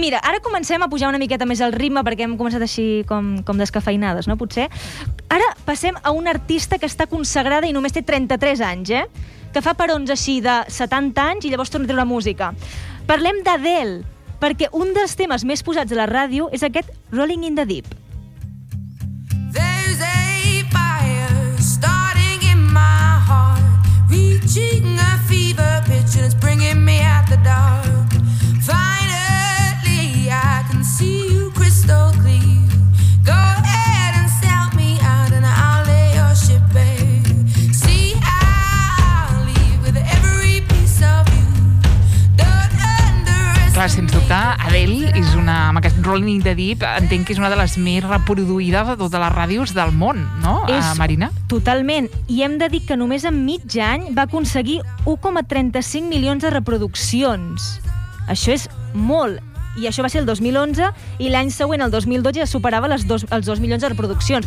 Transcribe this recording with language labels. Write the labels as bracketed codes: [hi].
[ca] Mira, ara comencem a pujar una miqueta més el ritme, perquè hem començat així com descafeïnades, no? Potser. Ara passem a una artista que està consagrada i només té 33 anys, eh? Que fa perons així de 70 anys i llavors torna a treure música. Parlem d'Adele, perquè un dels temes més posats a la ràdio és aquest Rolling in the Deep. [en] There's a fire starting in my heart. Reaching a fever pitch and it's bringing me out the dark. Finally I can see you crystal clear. Go ahead and sell me out and I'll lay your ship bare. See I'll leave with every piece of you. Don't underestimate. [ca] Clar, sense dubte, Adele és una... Amb aquest Rolling in the Deep entenc que és una de les més reproduïdes de totes les ràdios del món, no, Marina? Totalment. I hem de dir que només en mig any va aconseguir 1,35 milions de reproduccions. Això és molt. I això va ser el 2011, i l'any següent, el 2012, ja superava els 2 milions de reproduccions.